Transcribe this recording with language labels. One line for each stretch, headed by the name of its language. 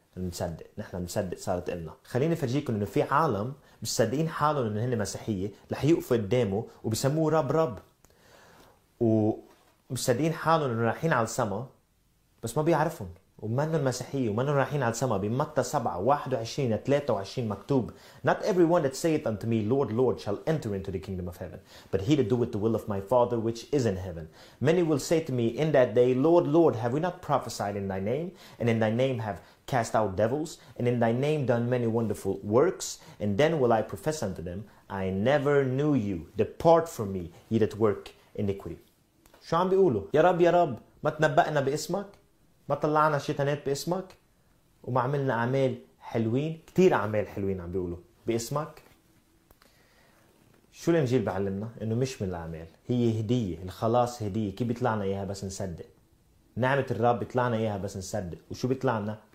Arabic: بنصدق، نحن بنصدق صارت إلنا. خليني افرجيكم انه في عالم مصدقين حالهم انه هن مسيحيه، رح يقفوا قدامه وبسموه رب رب. ومصدقين حالهم انه رايحين على السما بس ما بيعرفهم، ومنهم مسيحيه ومنهم رايحين على السما. بمتى 7:21-23 مكتوب:
English: Not everyone that saith unto me, Lord, Lord, shall enter into the kingdom of heaven, but he that doeth the will of my Father which is in heaven. Many will say to me in that day, Lord, Lord, have we not prophesied in thy name, and in thy name have cast out devils, and in thy name done many wonderful works? And then will I profess unto them, I never knew you. Depart from me, ye that work iniquity.
Arabic: شو عم بيقولوا؟ يا رب يا رب، ما تنبأنا باسمك؟ ما طلعنا شيطانات باسمك؟ وما عملنا أعمال حلوين؟ كتير أعمال حلوين عم بيقولوا باسمك؟ شو الإنجيل بعلمنا؟ إنه مش من الأعمال، هي هدية. الخلاص هدية، كيف بيطلعنا إياها بس نصدق؟ نعمة الرب بيطلعنا إياها بس نصدق. وشو بيطلعنا؟